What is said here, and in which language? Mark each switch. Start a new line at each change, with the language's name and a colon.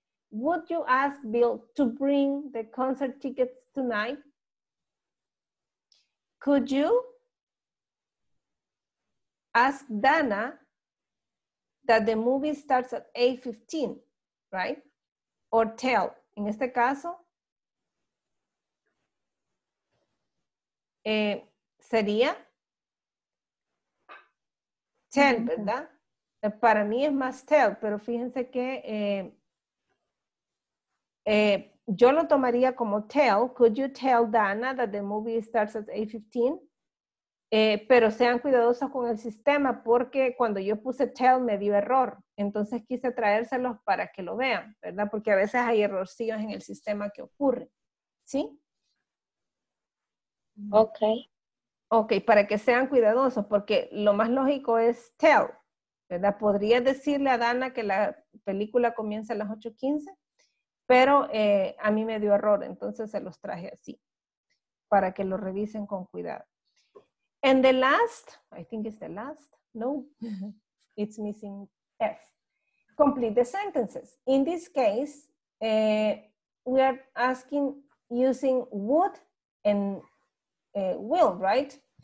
English: Would you ask Bill to bring the concert tickets tonight? Could you ask Dana that the movie starts at 8:15, right?
Spanish: Or tell, en este caso, sería tell, mm-hmm. ¿Verdad? Para mí es más tell, pero fíjense que yo lo tomaría como tell. Could you tell Dana that the movie starts at 8:15? Pero sean cuidadosos con el sistema porque cuando yo puse tell me dio error. Entonces quise traérselos para que lo vean, ¿verdad? Porque a veces hay errorcillos en el sistema que ocurre, ¿sí? Ok. Ok, para que sean cuidadosos porque lo más lógico es tell. ¿Verdad? Podría decirle a Dana que la película comienza a las 8:15, pero a mí me dio error, entonces se los traje así, para que lo revisen con cuidado.
English: And the last, I think it's the last, no, it's missing F. Complete the sentences. In this case, we are asking using would and will, right?